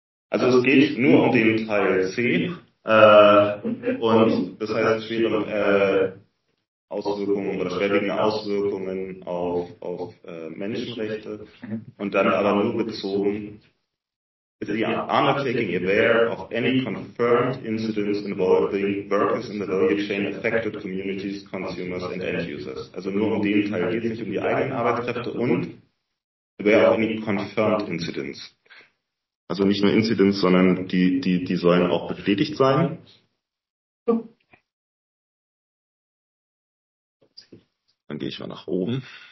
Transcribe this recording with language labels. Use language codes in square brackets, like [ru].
[de] Also es geht nur um den Teil C. Und das heißt, es spielt Auswirkungen oder schwerwiegende Auswirkungen auf Menschenrechte. Und dann aber nur bezogen. [en] Is the armor taking aware of any confirmed incidents involving workers in the value chain affected communities, consumers and end users? [de] Also nur um den Teil geht es nicht, um die eigenen Arbeitskräfte und [en] aware of any confirmed incidents. [de] Also nicht nur Incidents, sondern die sollen auch bestätigt sein. Dann gehe ich mal nach oben.